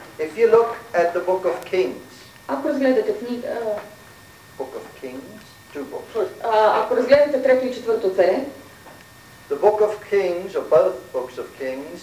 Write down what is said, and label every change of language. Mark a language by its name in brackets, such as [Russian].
[English] If you look at the book of Kings, [Bulgarian] ако разгледате книга... [English] Book of Kings, two books. [Bulgarian] Ако разгледате трето и четвърто царе, [English] the book of Kings, or both books of Kings,